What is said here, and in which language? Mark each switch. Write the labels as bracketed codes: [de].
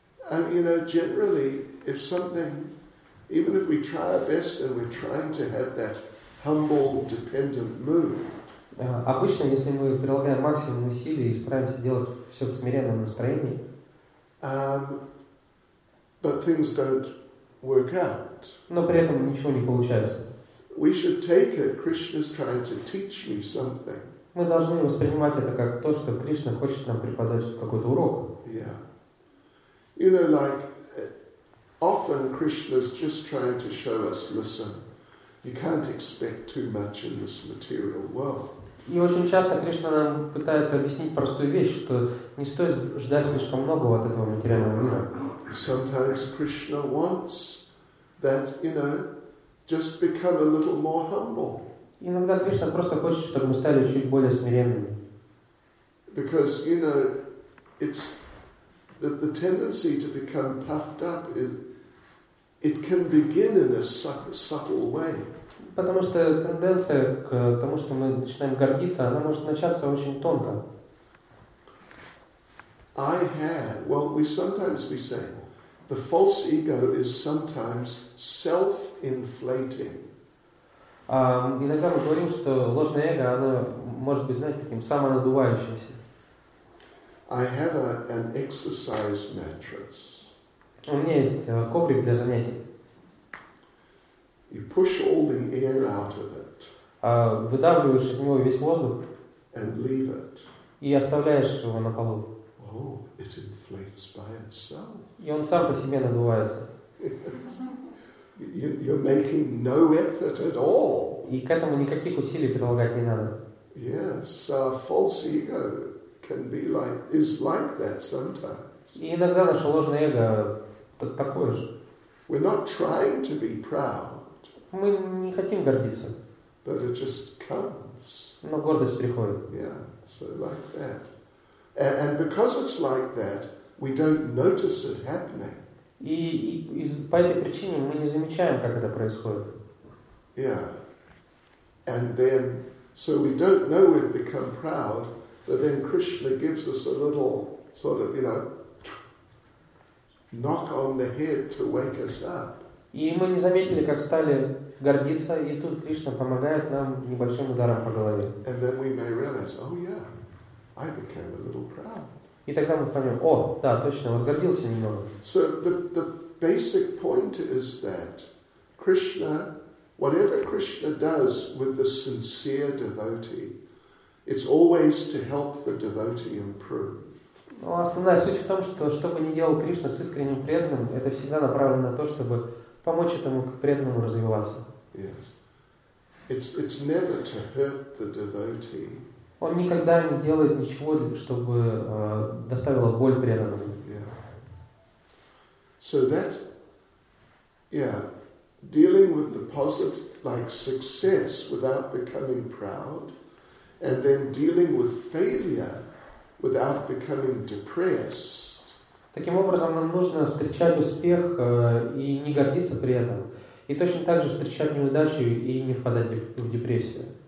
[en] And you know, generally, if something, even if we try our best and we're trying to have that humble, dependent mood. [ru] Обычно, если мы прилагаем максимум усилий и стараемся делать все в смиренном настроении. [en] But things don't work out. [ru] Но при этом ничего не получается. [en] We should take it. Krishna's trying to teach me something. [ru] Мы должны воспринимать это как то, что Кришна хочет нам преподать какой-то урок. [en] Yeah. You know, like often Krishna's just trying to show us, listen, you can't expect too much in this material world. [ru] И очень часто Кришна нам пытается объяснить простую вещь, что не стоит ждать слишком многого от этого материального мира. [en] Sometimes Krishna wants that, you know, just become a little more humble. [ru] Иногда Кришна просто хочет, чтобы мы стали чуть более смиренными. [en] Because, you know, it's the tendency to become puffed up, it can begin in a subtle way. [ru] Потому что тенденция к тому, что мы начинаем гордиться, она может начаться очень тонко. [en] I have, well, we say, the false ego is sometimes self-inflating. [ru] Иногда мы говорим, что ложное эго, оно может быть, знаете, таким самонадувающимся. [en] I have an exercise mattress. [ru] У меня есть коврик для занятий. [en] You push all the air out of it. [ru] Выдавливаешь из него весь воздух. [en] And leave it. [ru] И оставляешь его на полу. [en] Oh, it inflates by itself. [ru] И он сам по себе надувается. [en] You're making no effort at all. [ru] И к этому никаких усилий прилагать не надо. [en] Yes, false ego can be like that sometimes. [ru] И иногда наше ложное эго такое же. [en] We're not trying to be proud. [ru] Мы не хотим гордиться. [en] But it just comes. [ru] Но гордость приходит. [en] Yeah, so like that. And because it's like that, we don't notice it happening. [ru] И по этой причине мы не замечаем, как это происходит. [en] Yeah. And then, so we don't know we've become proud, but then Krishna gives us a little sort of, you know, knock on the head to wake us up. [ru] И мы не заметили, как стали гордиться, и тут Кришна помогает нам небольшим ударом по голове. [en] And then we may realize, oh yeah, I became a little proud. [ru] И тогда мы поймем, о, да, точно, возгордился немного. [en] So the basic point is that Krishna, whatever Krishna does with the sincere devotee, it's always to help the devotee improve. [ru] Но основная суть в том, что бы ни делал Кришна с искренним преданным, это всегда направлено на то, чтобы помочь этому преданному развиваться. [en] Yes. It's never to hurt the devotee. [ru] Он никогда не делает ничего, чтобы доставило боль преданному. [en] Yeah. So that, yeah, dealing with the positive, like success without becoming proud, and then dealing with failure without becoming depressed. [ru] Таким образом, нам нужно встречать успех и не гордиться при этом. И точно так же встречать неудачу и не впадать в депрессию.